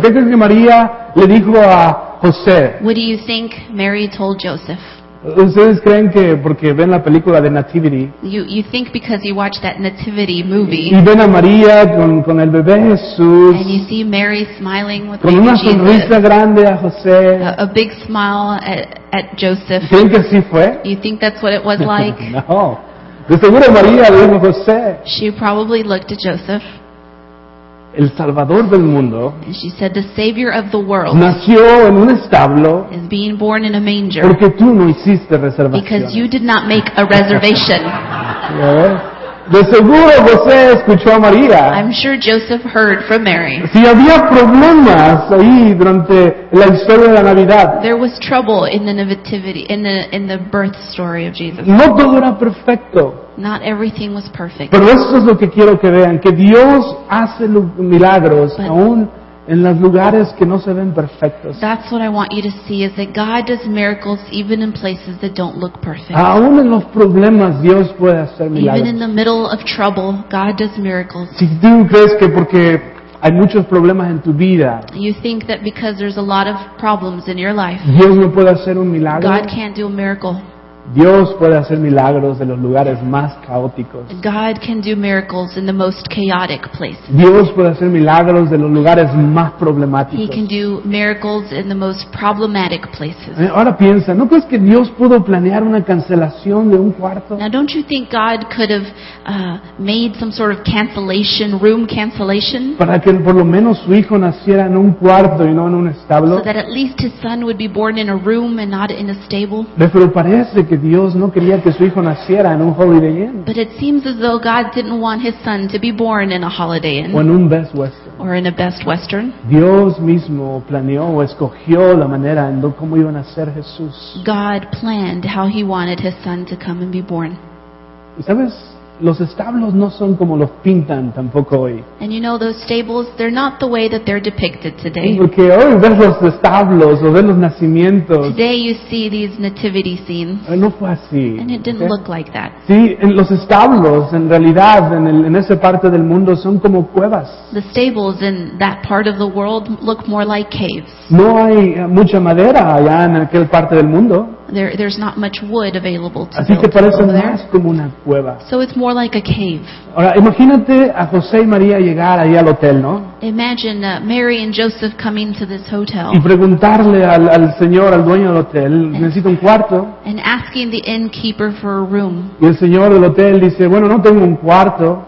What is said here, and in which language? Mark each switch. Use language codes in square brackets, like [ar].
[es] ¿Qué creen que María le dijo a José? [en] What do you think Mary told Joseph? [es] ¿Ustedes creen que porque ven la película de Nativity? [en] You think because you watch that Nativity movie. [es] Y ven a María con el bebé Jesús. [en] And you see Mary smiling with [es] con [en] baby [es] una sonrisa [en] Jesus, [es] grande a José. [en] A big smile at Joseph. [es] ¿Creen que así fue? [en] You think that's what it was like? [es] No. De seguro María vio a José. [en] She probably looked at Joseph. [es] El Salvador del mundo. [en] And she said, "The Savior of the world." [es] Nació en un establo. [en] Is being born in a manger. [es] Porque tú no hiciste reservación. [en] Because you did not make a reservation. [es] De seguro José escuchó a María. [en] I'm sure Joseph heard from Mary. [es] Si había problemas ahí durante la historia de la Navidad. [en] There was trouble in the nativity, in the birth story of Jesus. [es] No todo era perfecto. [en] Not everything was perfect. [es] Pero eso es lo que quiero que vean, que Dios hace milagros aún en los lugares que no se ven perfectos. [en] That's what I want you to see, is that God does miracles even in places that don't look perfect. [es] Aún en los problemas Dios puede hacer milagros. [en] Even in the middle of trouble, God does miracles. [es] Si tú crees que porque hay muchos problemas en tu vida, [en] you think that because there's a lot of problems in your life, [es] Dios no puede hacer un milagro. [en] God can't do a miracle. [es] Dios puede hacer milagros en los lugares más caóticos. [en] God can do miracles in the most chaotic places. [es] Dios puede hacer milagros en los lugares más problemáticos. [en] He can do miracles in the most problematic places. [es] Ahora piensa, ¿no crees que Dios pudo planear una cancelación de un cuarto? [en] Now don't you think God could have made some sort of cancellation, room cancellation? [es] Para que por lo menos su hijo naciera en un cuarto y no en un establo. [en] So that at least his son would be born in a room and not in a stable. [es] Pero parece que Dios no quería que su hijo naciera en un Holiday Inn. [en] But it seems as though God didn't want his son to be born in a Holiday Inn. [es] O en un Best Western. [en] Or in a Best Western. [es] Dios mismo planeó o escogió la manera en cómo iba a nacer Jesús. [en] God planned how he wanted his son to come and be born. [es] ¿Sabes? Los establos no son como los pintan tampoco hoy. [en] And you know those stables, they're not the way that they're depicted today. [es] Porque hoy ves los establos o ves los nacimientos. [en] Today you see these nativity scenes. [es] No fue así. [en] And it didn't look like that. [es] Sí, en los establos, en realidad, en esa parte del mundo son como cuevas. [en] The stables in that part of the world look more like caves. [es] No hay mucha madera allá en aquel parte del mundo. [en] There's not much wood available to [es] así [en] build [es] parece [en] over [es] más [en] there. [es] Como una cueva. [en] So it's more like a cave. [es] Ahora, imagínate a José y María llegar ahí al hotel, ¿no? [en] Imagine Mary and Joseph coming to this hotel. [es] Y preguntarle al señor, al dueño del hotel, necesito un cuarto. [en] And asking the innkeeper for a room. [es] Y el señor del hotel dice, bueno, no tengo un cuarto.